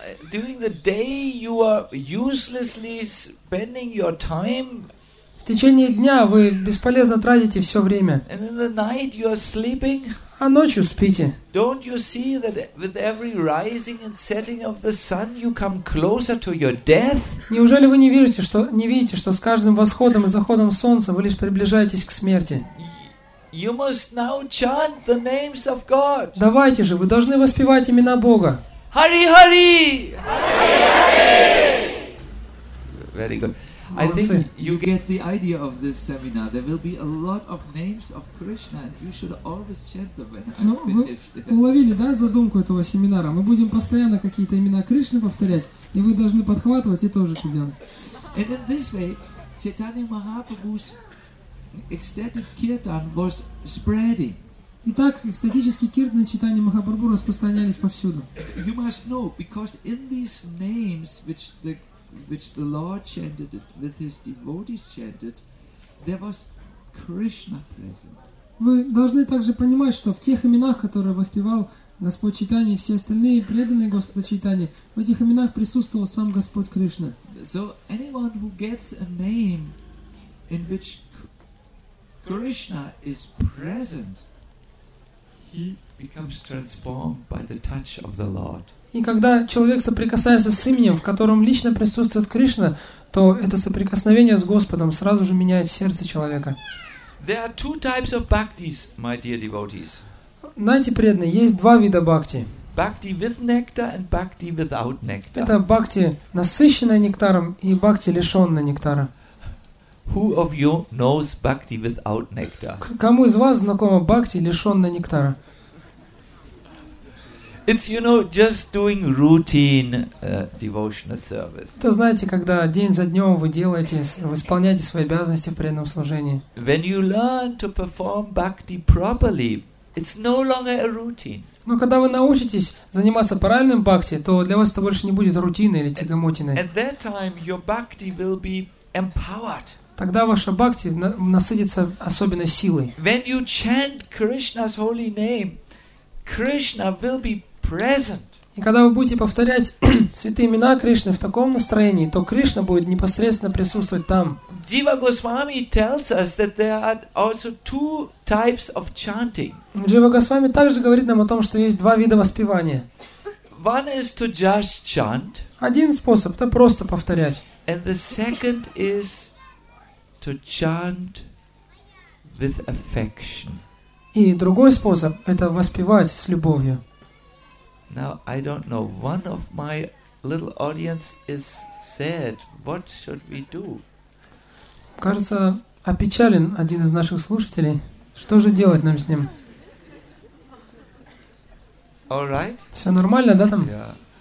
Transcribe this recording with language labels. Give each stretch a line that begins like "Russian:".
English: During the day you are uselessly spending your time.
Russian: В течение дня вы бесполезно тратите все время.
English: And in the night you are sleeping.
Russian: А ночью спите.
English: Don't you see that with every rising and setting of the sun you come closer to your death?
Russian: Неужели вы не видите, что с каждым восходом и заходом солнца вы лишь приближаетесь к смерти?
English: You must now chant the names of God.
Russian: Давайте же, вы должны воспевать имена Бога. Hari Hari! Hari Hari!
English: Very good. I think you get the idea of this seminar. There will be a lot of names of Krishna, and you should always chant them when I'm finished.
Russian: Уловили, да, задумку этого семинара? Мы будем постоянно какие-то имена Кришны повторять, и вы должны подхватывать и тоже это делать.
English: And in this way, Chaitanya Mahaprabhu's ecstatic kirtan was spreading.
Russian: Итак, экстатические киртаны Чайтаньи Махапрабху распространялись повсюду.
English: You must know, because in these names which the Lord chanted it, with his devotees chanted, there was Krishna present.
Russian: Вы должны также понимать, что в тех именах, которые воспевал Господь Чайтани и все остальные преданные Господа Чайтани, в этих именах присутствовал сам Господь Кришна.
English: So anyone who gets a name in which Krishna is present, he becomes transformed by the touch of the Lord.
Russian: И когда человек соприкасается с именем, в котором лично присутствует Кришна, то это соприкосновение с Господом сразу же меняет сердце человека.
English: There are two types of bhaktis, my dear devotees.
Russian: Знаете, преданные, есть два вида бхакти.
English: Bhakti with nectar and bhakti without nectar.
Russian: Это бхакти, насыщенная нектаром, и бхакти, лишенная нектара.
English: Who of you knows bhakti without nectar?
Russian: Кому из вас знакома бхакти, лишенная нектара?
English: It's, you know, just doing routine devotional service.
Russian: То знаете, когда день за днем вы делаете, вы исполняете свои обязанности в преданном служении.
English: When you learn to perform bhakti properly, it's no longer a routine.
Russian: Но когда вы научитесь заниматься правильным бхакти, то для вас это больше не будет рутиной или тягомотиной.
English: At that time your bhakti will be empowered.
Russian: Тогда ваша бхакти насытится особенной силой.
English: When you chant Krishna's holy name, Krishna will be present.
Russian: И когда вы будете повторять святые имена Кришны в таком настроении, то Кришна будет непосредственно присутствовать там.
English: Jiva Goswami tells us that there are also two types of chanting.
Russian: Jiva Goswami также говорит нам о том, что есть два вида воспевания.
English: One is to just chant.
Russian: Один способ — это просто повторять.
English: And the second is to chant with affection.
Russian: И другой способ — это воспевать с любовью.
English: Now I don't know. One of my little audience is sad. What should we do?
Russian: Кажется, опечален один из наших слушателей. Что же делать нам с ним?
English: All right.
Russian: Все нормально, да, там?
English: Yeah.